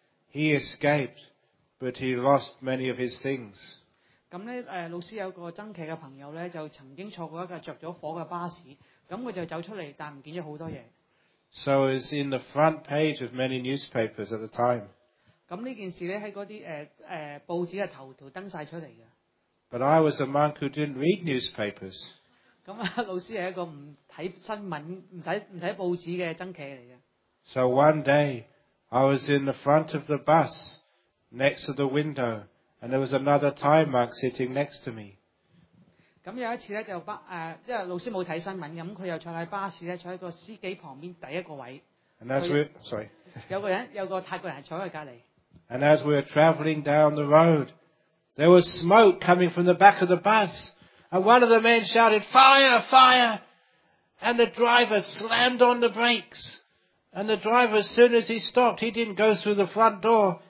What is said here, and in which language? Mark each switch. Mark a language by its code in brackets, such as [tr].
[en] He escaped, but he lost many of his things. [yue] 咁咧，老師有個曾奇嘅朋友咧，就曾經坐過一架著咗火嘅巴士，咁佢就走出嚟，但唔見咗好多嘢。 [en] So it's in the front page of many newspapers at the time. [yue] 咁呢件事咧喺嗰啲報紙嘅頭條登曬出嚟嘅。 [en] But I was a monk who didn't read newspapers. [yue] 咁老師係一個唔睇新聞、唔睇報紙嘅曾奇嚟嘅。 [en] So one day, I was in the front of the bus, next to the window. And there was another Thai monk sitting next to me. [yue] 咁有一次咧，就即系老師冇睇新聞，咁佢又坐喺巴士咧，坐喺個司機旁邊第一個位。 [en] And as we sorry. [yue] 有個泰國人坐喺隔離。 [en] And as we were travelling down the road, there was smoke coming from the back of the bus, and one of the men shouted, "Fire! Fire!" And the driver slammed on the brakes. And the driver, as soon as he stopped, he didn't go through the front door.